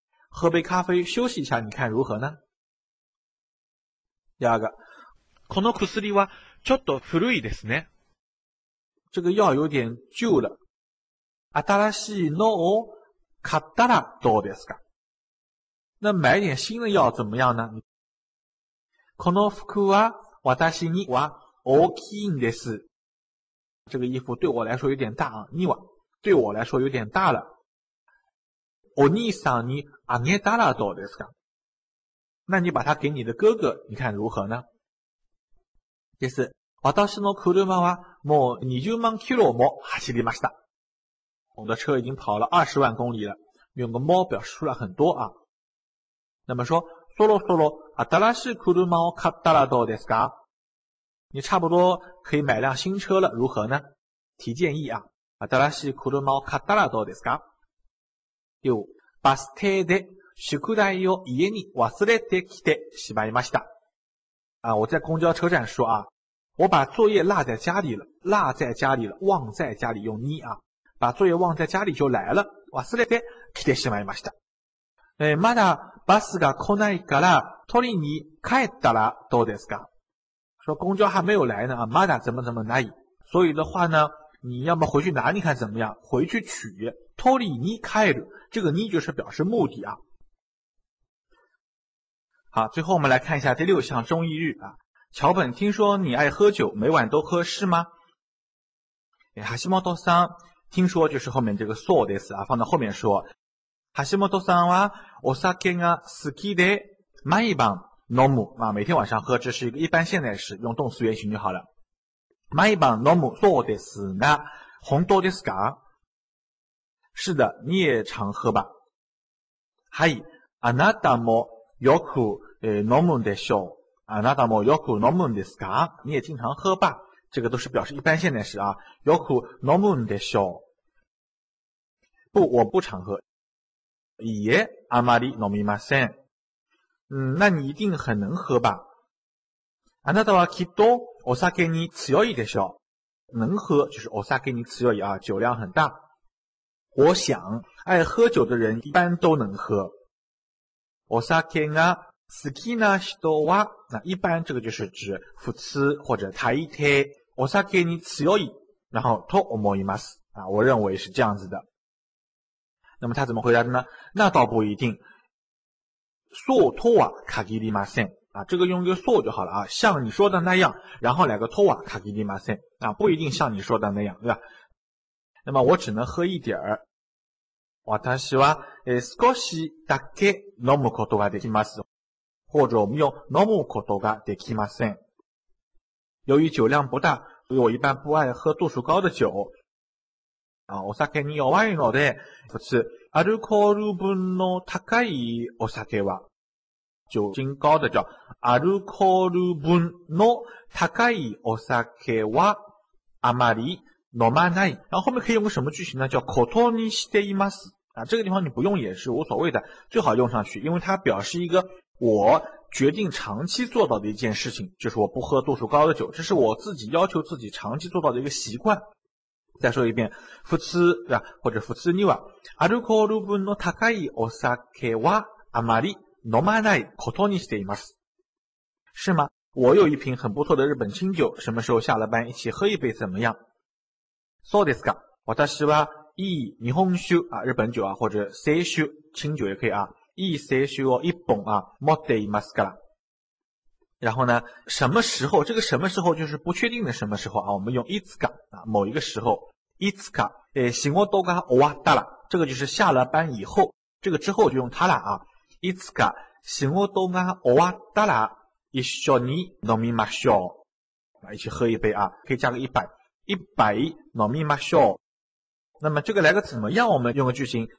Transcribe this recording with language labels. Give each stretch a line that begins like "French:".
Chinese: 喝杯咖啡休息一下，你看如何呢？第二个，
Japanese: この薬はちょっと古いですね。
Chinese: 这个药有点旧了。
Japanese: 新しいのを買ったらどうですか？
Chinese: 那买点新的药怎么样呢？
Japanese: この服は私には大きいんです。
Chinese: 这个衣服对我来说有点大啊，には对我来说有点大了。
Japanese: お兄さんにあげたらどうですか？
Chinese: 那你把它给你的哥哥，你看如何呢？
Japanese: です。私の車はもう20万キロも走りました。
Chinese: 我的车已经跑了20万公里了。用个も表示出了很多啊。那么说，
Japanese: そろそろ新しい車を買ったらどうですか？
Chinese: 你差不多可以买辆新车了，如何呢？提建议啊。
Japanese: 新しい車を買ったらどうですか？よ、バス停で宿題を家に忘れてきてしまいました。
Chinese: 啊，我在公交车站说啊，我把作业落在家里了，落在家里了，忘在家里用你啊，把作业忘在家里就来了，
Japanese: 忘れてきてしまいました。まだバスが来ないから取りに帰ったらどうですか？
Chinese: 说公交还没有来呢啊，まだ怎么怎么ない，所以的话呢，你要么回去拿，你看怎么样？回去取，取りに帰る，这个你就是表示目的啊。好，最后我们来看一下第六项中医日啊。桥本，听说你爱喝酒，每晚都喝是吗？橋本さん，听说就是后面这个そうです啊，放到后面说。
Japanese: 橋本さんはお酒が好きで毎晩飲む
Chinese: 啊，每天晚上喝，这是一个一般现在时，用动词原形就好了。
Japanese: 毎晩飲むそうですが、本当ですか？
Chinese: 是的，你也常喝吧？
Japanese: はい、あなたもよく飲むんでしょう。あなたもよく飲むんですか？
Chinese: 你也经常喝吧？这个都是表示一般现在时啊。
Japanese: よく飲むんでしょう。
Chinese: 不，我不常喝。
Japanese: いえ、あまり飲みません。
Chinese: 那你一定很能喝吧？
Japanese: あなたはきっとお酒に強いでしょう。
Chinese: 能喝就是お酒に強い啊，酒量很大。我想爱喝酒的人一般都能喝。
Japanese: お酒が好きな人は，
Chinese: 那一般这个就是指普通或者大抵。お酒に強い，然后と思います啊，我认为是这样子的。那么他怎么回答的呢？那倒不一定。
Japanese: そうとは限りません。
Chinese: 啊，这个用一个そう就好了啊，像你说的那样，然后两个とは限りません。啊，不一定像你说的那样，对吧？那么我只能喝一点儿。
Japanese: 私は少しだけ飲むことができます。
Chinese: 或者我们用飲むことができません。由于酒量不大，所以我一般不爱喝度数高的酒。
Japanese: 啊，お酒に弱いので、不是アルコール分の高いお酒は。
Chinese: 酒精高的叫
Japanese: アルコール分の高いお酒はあまり飲まない。
Chinese: 然后后面可以用个什么句型呢？叫ことにしています。啊，这个地方你不用也是无所谓的，最好用上去，因为它表示一个我决定长期做到的一件事情，就是我不喝度数高的酒，这是我自己要求自己长期做到的一个习惯。再说一遍，普通啊，或者
Japanese: 普通にはアルコール分の高いお酒はあまり飲まないことにしています。
Chinese: 是吗？我有一瓶很不错的日本清酒，什么时候下了班一起喝一杯怎么样？
Japanese: そうですか。私はいい日本酒啊，日本酒啊，或者清酒，清酒也可以啊。いい清酒を一本啊，持っていますから。
Chinese: 然后呢，什么时候？这个什么时候就是不确定的什么时候啊。我们用いつか啊，某一个时候。
Japanese: いつか、仕事が終わったら，
Chinese: 这个就是下了班以后，这个之后就用它了啊。
Japanese: いつか仕事が終わったら一緒に飲みましょう。
Chinese: 一起喝一杯啊，可以加个一百。
Japanese: 一杯飲みましょう。
Chinese: 那么这个来个怎么样，我们用个句型。